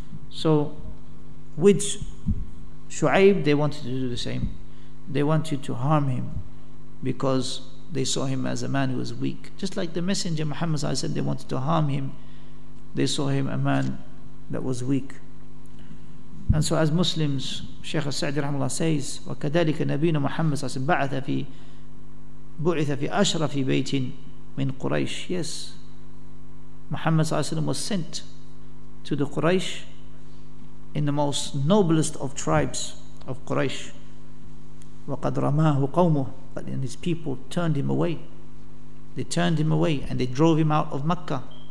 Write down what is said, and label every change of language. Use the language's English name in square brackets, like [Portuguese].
[English] So with Shu'aib, they wanted to do the same. They wanted to harm him because they saw him as a man who was weak. Just like the Messenger Muhammad said, they wanted to harm him. They saw him a man that was weak. And so as Muslims, Shaykh al-Sa'di rahimahullah says, [Arabic] وَكَذَلِكَ نَبِيُّنَا مُحَمَّدٌ صَلَّى اللَّهُ عَلَيْهِ وَسَلَّمَ بُعِثَ فِي أَشْرَفِ بَيْتٍ مِنْ قُرَيْشٍ. [English] Yes, Muhammad [Arabic] صَلَّى اللَّهُ عَلَيْهِ وَسَلَّمَ [English] was sent to the Quraysh in the most noblest of tribes of Quraysh. [Arabic] وَقَدْ رَمَاهُ قَوْمُهُ. [English] But then his people turned him away. They turned him away and they drove him out of Makkah.